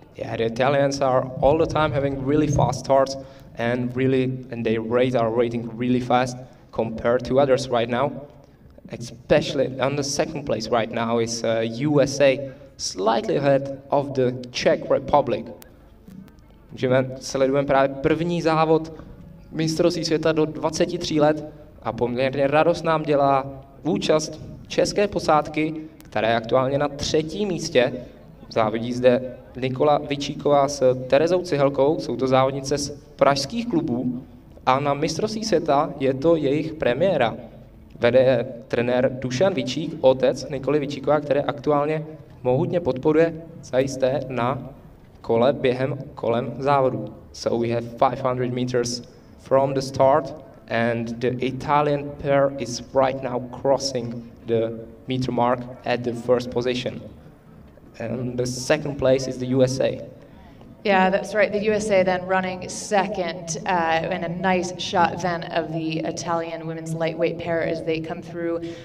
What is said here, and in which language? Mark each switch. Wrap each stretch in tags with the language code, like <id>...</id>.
<en>Yeah, the Italians are all the time having really fast starts, and they raise our rating really fast compared to others right now. Especially on the second place right now is USA, slightly ahead of the Czech Republic.</en> <cs>Takže sledujeme právě první závod mistrovství světa do 23 let a poměrně radost nám dělá účast české posádky, která je aktuálně na třetím místě. Závodí zde Nikola Vyčíková s Terezou Cihelkou, jsou to závodnice z pražských klubů a na mistrovství světa je to jejich premiéra. Vede je trenér Dušan Vyčík, otec Nikoly Vyčíkova, které aktuálně mohutně podporuje zajisté na kole během kolem závodu.</cs> <en>So we have 500 meters from the start and the Italian pair is right now crossing the meter mark at the first position. And the second place is the USA. Yeah, that's right. The USA then running second in a nice shot then of the Italian women's lightweight pair as they come through.</en>